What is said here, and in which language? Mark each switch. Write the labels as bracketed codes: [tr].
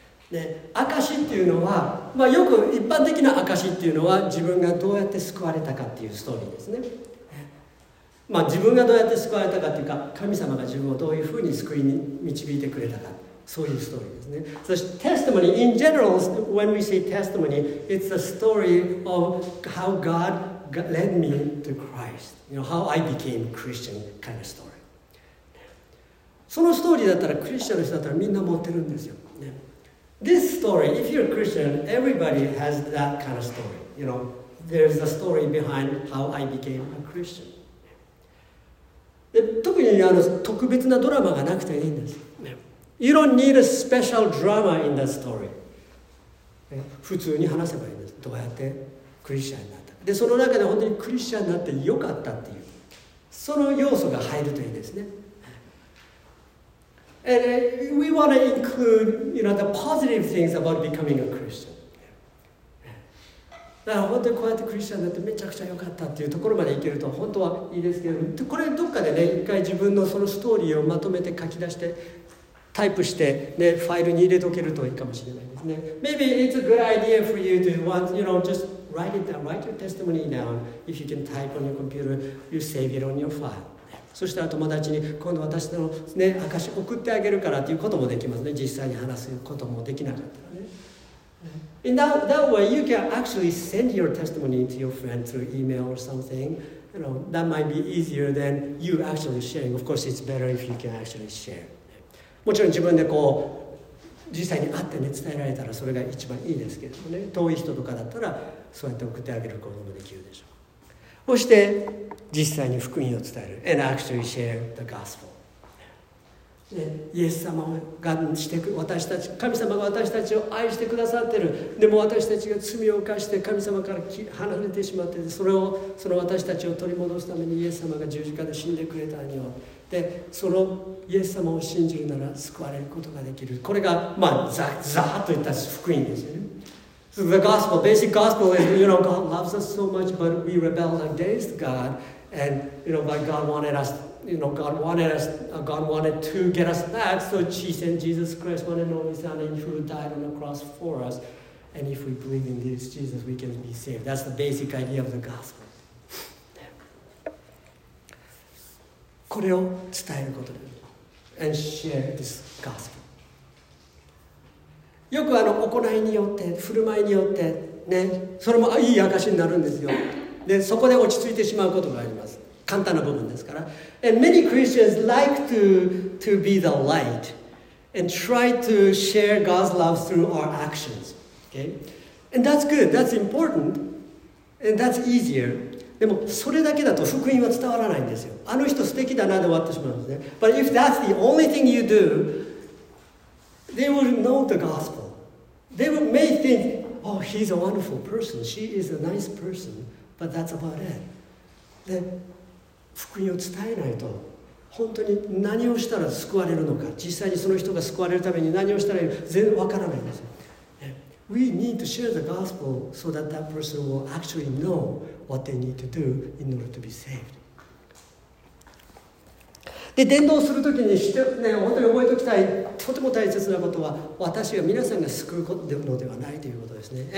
[ja] ね、証っていうのは、まあ、よく一般的な証っていうのは自分がどうやって救われたかっていうストーリーですね。まあ、自分がどうやって救われたかっていうか、神様が自分をどういうふうに救いに導いてくれたか、そういうストーリーですね。そしてテスタモニー、 [en] in general, when we say testimony, it's a story of how God led me to Christ. You know, how I became a Christian kind of story. [ja] そのストーリーだったら、クリスチャンの人だったらみんな持ってるんですよ。 [en] This story, if you're a Christian, everybody has that kind of story. You know, there's a story behind how I became a Christian. [ja] 特にあの特別なドラマがなくていいんです。 [en] You don't need a special drama in that story. [ja] 普通に話せばいいんです。どうやってクリスチャンになった。で、その中で本当にクリスチャンになってよかったっていう、その要素が入るといいですね。 [en] And we want to include, you know, the positive things about becoming a Christian. [ja] だから本当にこうやってクリスチャンになってめちゃくちゃ良かったっていうところまでいけると本当はいいですけど、これどっかでね、一回自分のそのストーリーをまとめて書き出して、タイプして、ね、ファイルに入れとけるといいかもしれないですね。 [en] Maybe it's a good idea for you to want, you know, just write it down, write your testimony down. If you can type on your computer, you save it on your file. [ja] そしたら友達に今度私の、ね、証を送ってあげるからということもできますね。実際に話すこともできなかったらね。 [en] In that way, you can actually send your testimony to your friend through email or something. You know, that might be easier than you actually sharing. Of course, it's better if you can actually share. [ja] もちろん自分でこう実際に会って、ね、伝えられたらそれが一番いいですけどね。遠い人とかだったらそうやって送ってあげることもできるでしょう。そして実際に福音を伝える [en] and actually share the gospel. [ja] イエス様がしてく私たち神様が私たちを愛してくださってる、でも私たちが罪を犯して神様から離れてしまって、その私たちを取り戻すためにイエス様が十字架で死んでくれたによ、でそのイエス様を信じるなら救われることができる、これがまあザッザッといった福音ですよね。 [en] So the gospel, basic gospel is, you know, God loves us so much, but we rebelled against God, and, you know, but God wanted us, you know, God wanted to get us back, so he sent Jesus Christ, one and only Son, and who died on the cross for us, and if we believe in this Jesus, we can be saved. That's the basic idea of the gospel. [ja] これを伝えることで、 [en] and share this gospel. [ja] よくあの行いによって振る舞いによってね、それもいい証になるんですよ。でそこで落ち着いてしまうことがあります。簡単な部分ですから。 [en] And many Christians like to be the light and try to share God's love through our actions. Okay? And that's good, that's important, and that's easier. [ja] でもそれだけだと福音は伝わらないんですよ。あの人素敵だなで終わってしまうんですね。 [en] But if that's the only thing you do, they will know the gospel. They will may think, oh, he's a wonderful person, she is a nice person, but that's about it. [ja] で福音を伝えないと本当に何をしたら救われるのか、実際にその人が救われるために何をしたらいいのか全然わからないんですよ。 [en] We need to share the gospel so that that person will actually know what they need to do in order to be saved. [ja] で伝道するときにして、ね、本当に覚えておきたいとても大切なことは、私は皆さんが救うことのではないということですね。